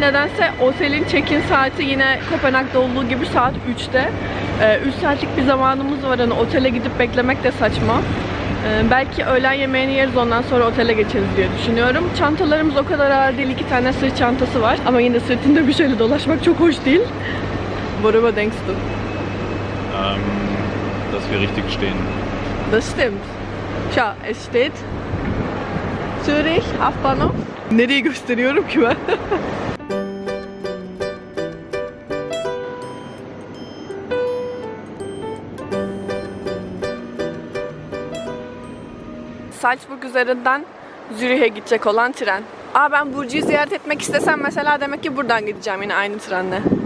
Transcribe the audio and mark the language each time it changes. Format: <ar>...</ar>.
<tr>Nedense otelin check-in saati yine Kopenhag'da olduğu gibi saat 3'te. 3 saatlik bir zamanımız var. Yani otele gidip beklemek de saçma. Belki öğlen yemeğini yeriz, ondan sonra otele geçeriz diye düşünüyorum. Çantalarımız o kadar ağır değil. 2 tane sırt çantası var. Ama yine sırtında bir şeyle dolaşmak çok hoş değil.</tr> <de>Worüber denkst du? Dass wir richtig stehen. Das stimmt. Schau, es steht Zürich Hauptbahnhof.</de> <tr>Nereye gösteriyorum ki ben? Salzburg üzerinden Zürih'e gidecek olan tren. Aa, ben Burcu'yu ziyaret etmek istesem mesela demek ki buradan gideceğim yine aynı trenle.</tr>